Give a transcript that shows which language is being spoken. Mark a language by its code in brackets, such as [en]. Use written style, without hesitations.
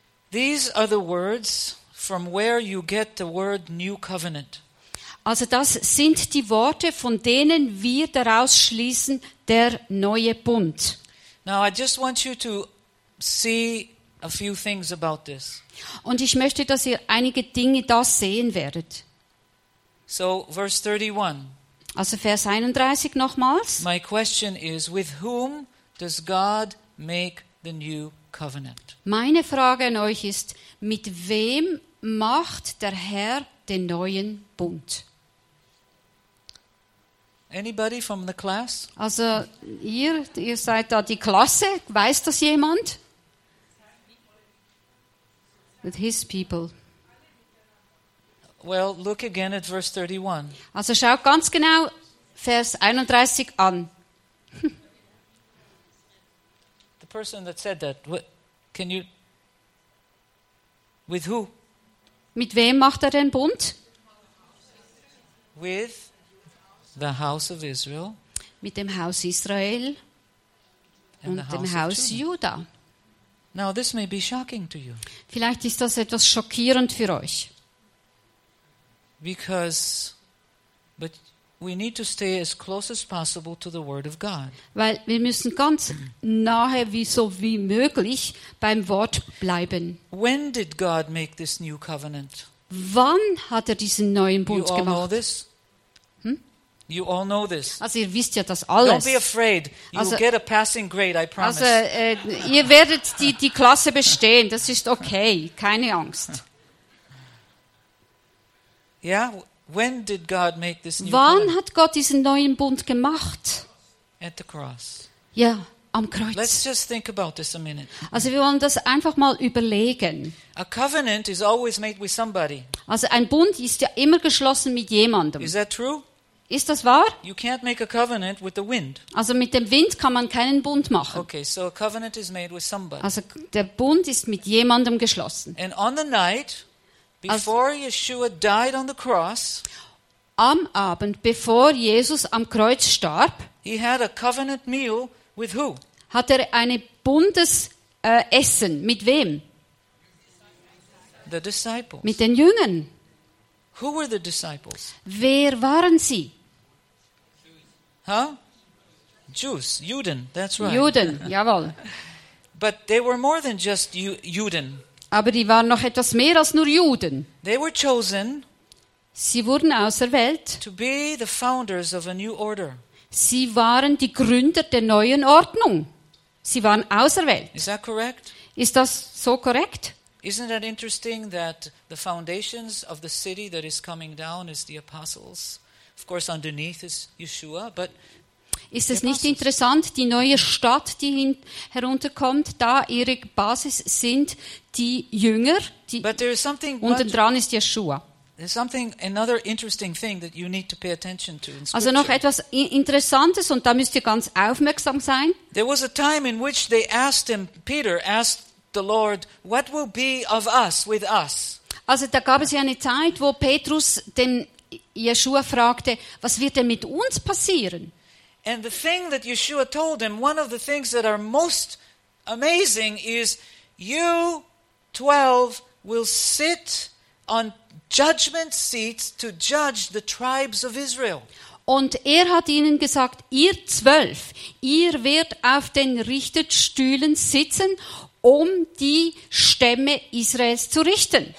[en] These are the words from where you get the word new covenant. [de] Also das sind die Worte, von denen wir daraus schließen, der neue Bund. [en] Now I just want you to see a few things about this. [de] Und ich möchte, dass ihr einige Dinge da sehen werdet. [en] So verse 31. [de] Also Vers 31 nochmals. [en] My question is, with whom does God make the new covenant? [de] Meine Frage an euch ist, mit wem macht der Herr den neuen Bund? [en] Anybody from the class? [de] Also ihr seid da die Klasse, weiß das jemand? [en] With his people. Well, look again at verse 31. [de] Also schaut ganz genau Vers 31 an. [en] The person that said that, can you, with who? [de] Mit wem macht den Bund? [en] With the house of Israel. [de] Mit dem Haus Israel und dem Haus Juda. [en] Now this may be shocking to you. [de] Vielleicht ist das etwas schockierend für euch. [en] Because, but we need to stay as close as possible to the Word of God. [de] Weil wir müssen ganz nahe, wie so wie möglich, beim Wort bleiben. [en] When did God make this new covenant? [de] Wann hat diesen neuen Bund gemacht? [en] You all Know this? You all know this. [de] Also ihr wisst ja das alles. [en] Don't be afraid. You will get a passing grade, I promise. [de] Also ihr werdet die Klasse bestehen. Das ist okay. Keine Angst. [en] Yeah. When did God make this new covenant? [de] Wann hat Gott diesen neuen Bund gemacht? [en] At the cross. [de] Ja, am Kreuz. [en] Let's just think about this a minute. [de] Also wir wollen das einfach mal überlegen. [en] A covenant is always made with somebody. [de] Also ein Bund ist ja immer geschlossen mit jemandem. [en] Is that true? [de] Ist das wahr? [en] You can't make a covenant with the wind. [de] Also mit dem Wind kann man keinen Bund machen. [en] Okay, so a covenant is made with somebody. [de] Also der Bund ist mit jemandem geschlossen. [en] And on the night before Yeshua died on the cross, [de] am Abend bevor Jesus am Kreuz starb, [en] he had a covenant meal with who? [de] Hat er eine Bundesessen mit wem? [en] The disciples. [de] Mit den Jüngern. [en] Who were the disciples? [de] Wer waren sie? [en] Huh? Jews, Juden, that's right. [de] Juden, jawohl. [en] But they were more than just Juden. [de] Aber die waren noch etwas mehr als nur Juden. [en] They were chosen. [de] Sie wurden auserwählt. [en] To be the founders of a new order. [de] Sie waren die Gründer der neuen Ordnung. Sie waren auserwählt. [en] Is that correct? [de] Ist das so korrekt? [en] Isn't that interesting that the foundations of the city that is coming down is the apostles? Of course, underneath is Yeshua, but [de] ist es nicht interessant, die neue Stadt, die herunterkommt, da ihre Basis sind die Jünger, die unten dran ist Yeshua. Also noch etwas Interessantes, und da müsst ihr ganz aufmerksam sein. [en] There was a time in which they asked him, Peter asked the Lord, what will be of us with us? [de] Also da gab es ja eine Zeit, wo Petrus den Yeshua fragte, was wird denn mit uns passieren? [en] And the thing that Yeshua told him, one of the things that are most amazing is, you 12 will sit on judgment seats to judge the tribes of Israel. [de] Und er hat ihnen gesagt, ihr 12, ihr werdet auf den Richterstühlen sitzen, um die Stämme Israels zu richten.